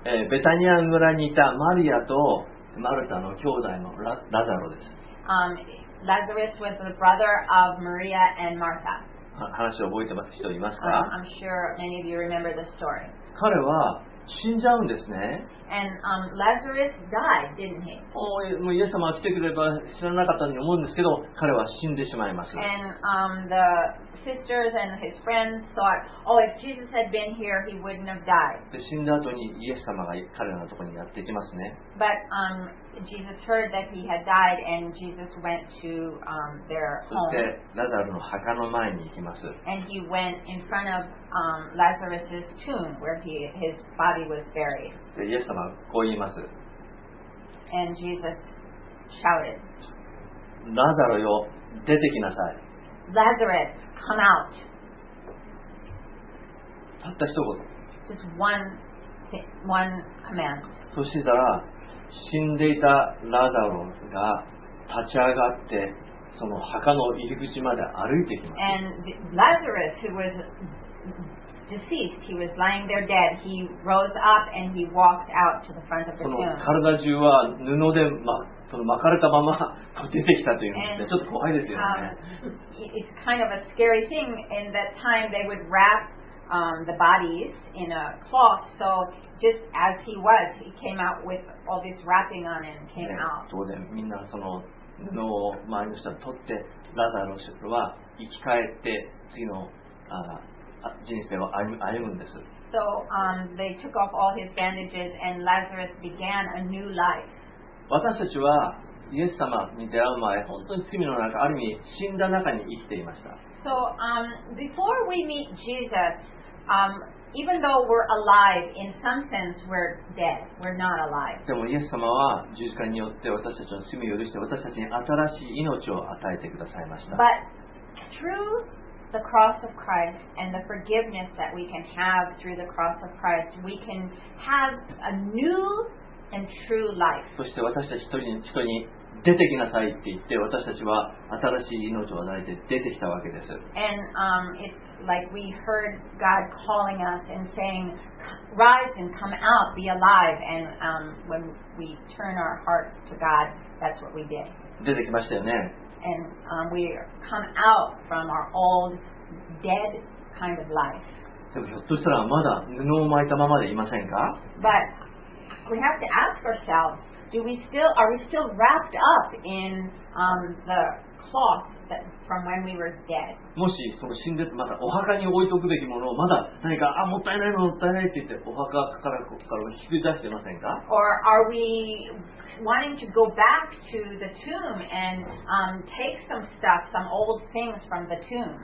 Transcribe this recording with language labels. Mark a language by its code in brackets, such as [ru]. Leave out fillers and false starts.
[ja] ベタニア村にいたマリアとマルタの兄弟のラザロです。 [en] Lazarus was the brother of Maria and Martha. [ja] 話を覚えてます人いますか? [en] I'm sure many of you remember the story. [ja] 彼は死んじゃうんですね。 [en] And, Lazarus died, didn't he? [ja] もうイエス様が来てくれれば知らなかったと思うんですけど、彼は死んでしまいます。 [en] And, the sisters and his friends thought, oh, if Jesus had been here, he wouldn't have died. [ja] で、死んだ後にイエス様が彼のところにやってきますね。 [en] But, Jesus heard that he had died, and Jesus went to, their home. [ja] そして、ラザルの墓の前に行きます。 [en] And he went in front of, Lazarus' tomb, where his body was buried. [ja] で、イエス様こう言います。 [en] And Jesus shouted, [ja] ラザルよ、出てきなさい。 [en] Lazarus, come out. [ja] たった一言。 [en] Just one command. [ja] そしたら、死んでいたラザロが立ち上がってその墓の入り口まで歩いてきます。 [en] And Lazarus, who was deceased, he was lying there dead. He rose up and he walked out to the front of the tomb. [ja] この体中は布で巻かれたまま出てきたというので、ちょっと怖いですよね。 [en] It's kind of a scary thing. In that time, they would wrap, the bodies in a cloth. So just as he was, he came out with all this wrapping on and came out. [ja] そうで、みんなその布を周りの人に取って、ラザロは生き返って次の人生を歩むんです。 [en] So, they took off all his bandages and Lazarus began a new life. [ja] 私たちはイエス様に出会う前、本当に罪の中、ある意味死んだ中に生きていました。 [en] So, before we meet Jesus, even though we're alive, in some sense we're dead. We're not alive. [ja] でもイエス様は十字架によって私たちの罪を許して私たちに新しい命を与えてくださいました。 [en] But through the cross of Christ and the forgiveness that we can have through the cross of Christ, we can have a new and true life. [ja] そして私たち一人に出てきなさいって言って私たちは新しい命を与えて出てきたわけです。 [en] And, it's like we heard God calling us and saying, rise and come out, be alive. And, when we turn our hearts to God, that's what we did. [ja] 出てきましたよね。 [en] And, we come out from our old dead kind of life. [ja] でもひょっとしたらまだ布を巻いたままでいませんか? [en] But we have to ask ourselves, Are we still wrapped up in, the cloth from when we were dead. [ja] もしその死んでまたお墓に置いておくべきものをまだ何かあもったいないもったいないって言ってお墓からここから引き出してませんか [en] Or are we wanting to go back to the tomb and take some stuff, some old things from the tomb?